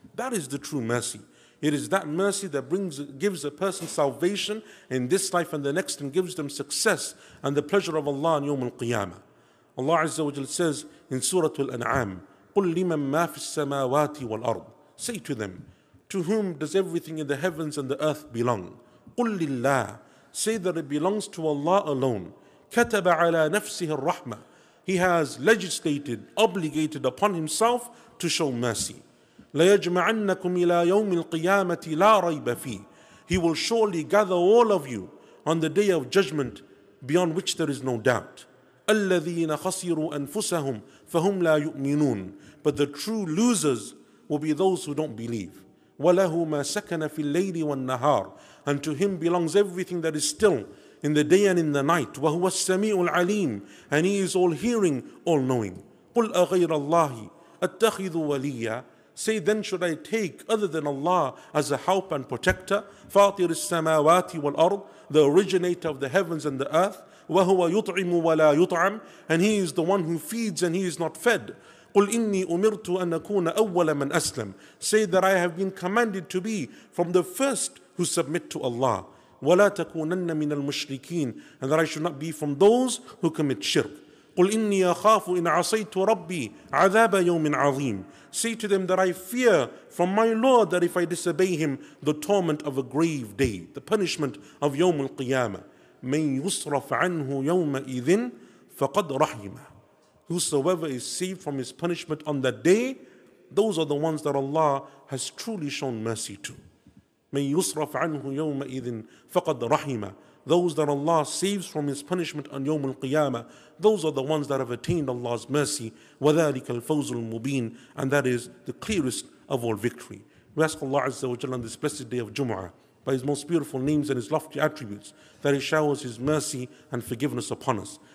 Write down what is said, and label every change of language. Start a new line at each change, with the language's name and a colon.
English: That is the true mercy. It is that mercy that gives a person salvation in this life and the next, and gives them success and the pleasure of Allah on Yawm al-Qiyamah. Allah Azza wa Jal says in Surah Al-An'am,
Arabic: قُلْ لِمَنْ مَا فِي السَّمَاوَاتِ وَالْأَرْضِ.
English: Say to them, to whom does everything in the heavens and the earth belong?
Arabic: قُلْ لِلَّهِ.
English: Say that it belongs to Allah alone.
Arabic: كَتَبَ عَلَى نَفْسِهِ الرَّحْمَةِ.
English: He has legislated, obligated upon Himself to show mercy.
Arabic: لَيَجْمَعَنَّكُمْ إِلَى يَوْمِ الْقِيَامَةِ لَا رَيْبَ فِيهِ.
English: He will surely gather all of you on the day of judgment, beyond which there is no doubt.
Arabic: الَّذِينَ خَسِرُوا أَنفُسَهُمْ فَهُمْ لَا يُؤْمِنُونَ.
English: But the true losers will be those who don't believe.
Arabic: وَلَهُ مَا سَكَنَ فِي اللَّيْلِ وَالنَّهَارِ.
English: And to him belongs everything that is still in the day and in the night.
Arabic: وَهُوَ السَّمِيعُ الْعَلِيمُ.
English: And he is all-hearing, all-knowing.
Arabic: قُلْ أَغَيْرَ اللَّهِ أَتَّخِذُ وَلِيًّا.
English: Say then, should I take other than Allah as a help and protector?
Arabic: فاطر السماوات والأرض,
English: the originator of the heavens and the earth.
Arabic: وهو يطعم ولا يطعم,
English: and he is the one who feeds and he is not fed.
Arabic: قل إني أمرت أن أكون أول من أسلم.
English: Say that I have been commanded to be from the first who submit to Allah.
Arabic: ولا تكونن من المشركين,
English: and that I should not be from those who commit shirk.
Arabic: قل إني أخاف إن عصيت ربي عذاب يوم عظيم.
English: Say to them that I fear from my Lord that if I disobey him, the torment of a grave day, the punishment of يوم القيامة.
Arabic: من يصرف عنه يومئذ فقد رحمه.
English: Whosoever is saved from his punishment on that day, those are the ones that Allah has truly shown mercy to.
Arabic: من يصرف عنه يومئذ فقد رحمه.
English: Those that Allah saves from his punishment on يوم القيامة, those are the ones that have attained Allah's mercy.
Arabic: وذلك الفوز المبين,
English: and that is the clearest of all victory. We ask Allah Azza wa Jalla on this blessed day of Jumu'ah, by his most beautiful names and his lofty attributes, that he showers his mercy and forgiveness upon us.